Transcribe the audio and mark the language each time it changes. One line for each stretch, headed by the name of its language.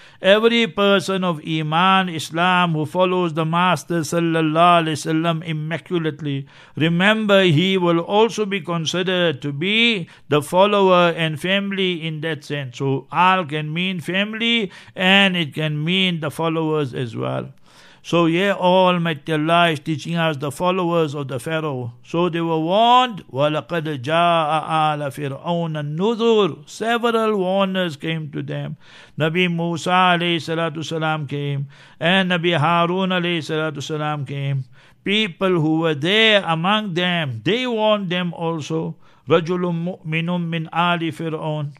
English: Every person of Iman, Islam, who follows the Master sallallahu alayhi wa sallam immaculately, remember, he will also be considered to be the follower and family in that sense. So Al can mean family and it can mean the followers as well. So yeah, Almighty Allah is teaching us the followers of the Pharaoh. So they were warned,
Arabic: وَلَقَدْ جَاءَ آلَ فِرْعَوْنَ النُّذُرُ.
English: Several warners came to them. Nabi Musa alayhi salatu salam came, and Nabi Harun alayhi salatu salam came. People who were there among them, they warned them also.
Arabic: رَجُلٌ مُؤْمِنٌ مِّنْ آلِ فِرْعَوْنَ.